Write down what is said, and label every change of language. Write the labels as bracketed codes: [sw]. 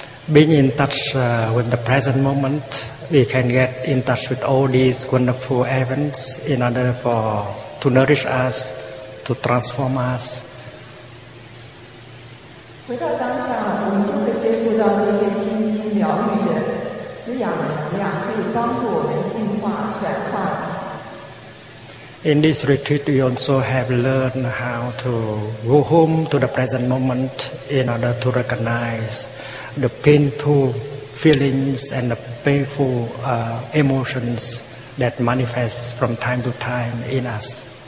[en] Being in touch with the present moment, we can get in touch with all these wonderful events in order for to nourish us, to transform us. [zh] 回到当下，我们就会接触到这些清新疗愈的滋养能量，可以帮助我们进化、转化自己。 [en] In this retreat, we also have learned how to go home to the present moment in order to recognize the painful feelings and the painful emotions that manifest from time to time in us.